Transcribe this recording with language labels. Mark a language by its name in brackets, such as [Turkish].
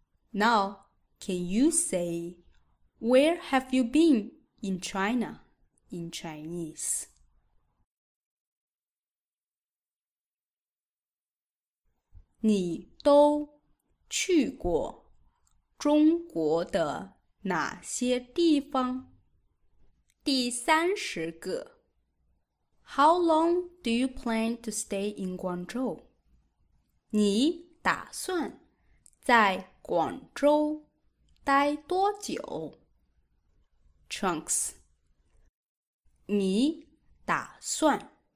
[English] Now, can you say, where have you been in China in Chinese? [Chinese] 你都去过中国的哪些地方？第三十个。 [English] How long do you plan to stay in Guangzhou? [Chinese] 你打算在广州待多久？Trunks，你打算